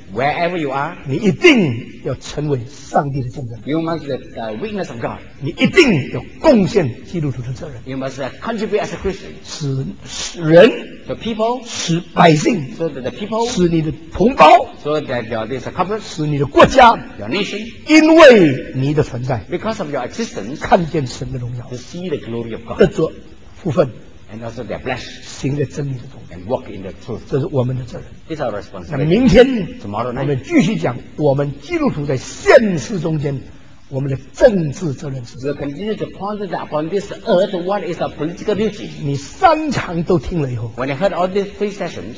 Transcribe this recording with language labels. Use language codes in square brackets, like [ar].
[en] ，Wherever you are, [zh] 你一定要成为上帝的见证 [en] ，You must be the witness of God. [zh] 你一定要贡献基督徒的责任 [en] ，You must contribute as a Christian. [zh] 使人 [en] ，The people. [zh] 使百姓 [en] ，So that the people. [zh] 使你的同胞。 [en] So that your this couple, [zh] 使你的国家 [en] your nation, [zh] 因为你的存在 [en] because of your existence, [zh] 看见神的荣耀 [en] to see the glory of God, [zh] 得着福分 [en] and also they're blessed, [zh] 行在真理的中 [en] and walk in the truth, [zh] 这是我们的责任 [en] this is our responsibility, [zh] 那明天 [en] tomorrow night, [zh] 我们继续讲我们基督徒在现实中间我们的政治责任是 [en] we continue to ponder that upon this earth what is our political duty [zh] 你三场都听了以后 [en] when you heard all these three sessions